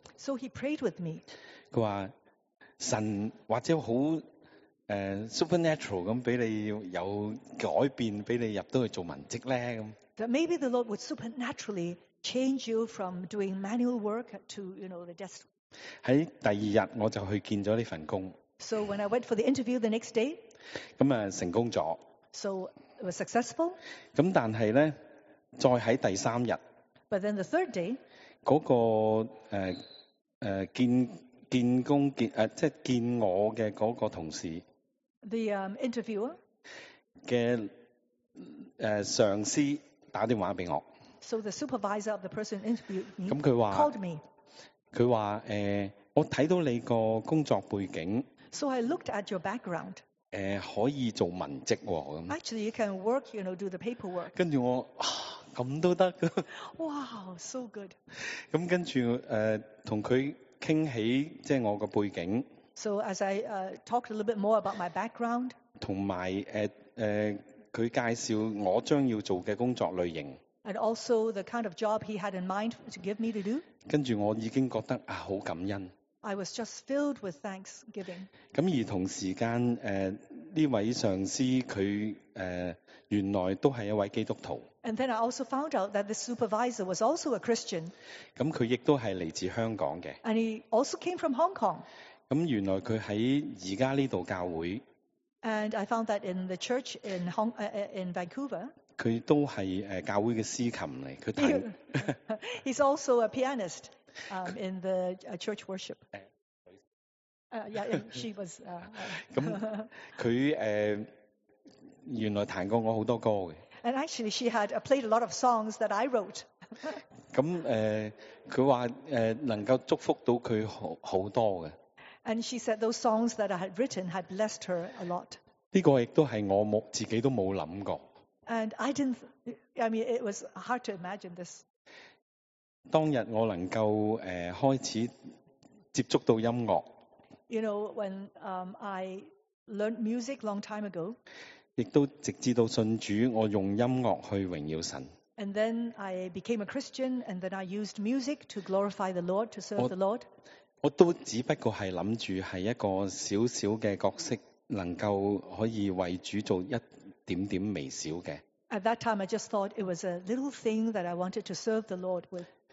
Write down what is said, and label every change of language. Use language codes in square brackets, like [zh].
[en] So he prayed with me. [zh] 他说，神或者很supernatural 地给你有改变，给你入到去做文职呢？ [en] That maybe the Lord would supernaturally change you from doing manual work to, you know, the desk. [zh] 在第二天我就去见了这份工。 [en] So when I went for the interview the next day, [zh] 咁啊成功咗。 [en] So it was successful. [zh] 咁但係咧，再喺第三日。 [en] But then the third day, [zh] 嗰、那個見我嘅嗰個同事 [en] ，the interviewer [zh] 嘅上司打電話俾我。 [en] So the supervisor of the person interviewed me. [zh] 咁佢話 [en] called me. [zh] 佢話我睇到你個工作背景。 [en] So I looked at your background. [zh] 可以做文職喎、哦。 [en] Actually, you can work, you know, do the paperwork. [zh] 跟住我，咁都得。 [en] Wow, so good. [zh] 咁跟住同佢傾起即係我個背景。 [en] So as I talked a little bit more about my background. [zh] 同埋佢介紹我將要做嘅工作類型。 [en] And also the kind of job he had in mind to give me to do. [zh] 跟住我已經覺得好感恩。 [en] I was just filled with thanksgiving. [zh] 咁而同時間，呢位上司佢原來都係一位基督徒。 [en] And then I also found out that the supervisor was also a Christian. [zh] 咁佢亦都係嚟自香港嘅。 [en] And he also came from Hong Kong. [zh] 咁原來佢喺而家呢度教會。 [en] And I found that in the church in Hong in Vancouver. [zh] 佢都係教會嘅司琴嚟，佢彈。 [en] He's also a pianist. In the church worship. Yeah, she was. [zh] 咁佢原來彈過我好多歌嘅。 [en] And actually, she had played a lot of songs that I wrote. [zh] 咁佢話能夠祝福到佢好多嘅。 [en] And she said those songs that I had written had blessed her a lot. [zh] 呢個亦都係我自己都冇諗過。 [en] And I didn't. I mean, it was hard to imagine this. [zh] 当日我能够开始接触到音乐。 [en] You know, when I learned music long time ago, [zh] 亦都直至到信主，我用音乐去荣耀神。 [en] And then I became a Christian, and then I used music to glorify the Lord, to serve the Lord. [zh] 我都只不过系谂住系一个小小嘅角色，能够可以为主做一点点微小嘅。 [en] At that time, I just thought it was a little thing that I wanted to serve the Lord with.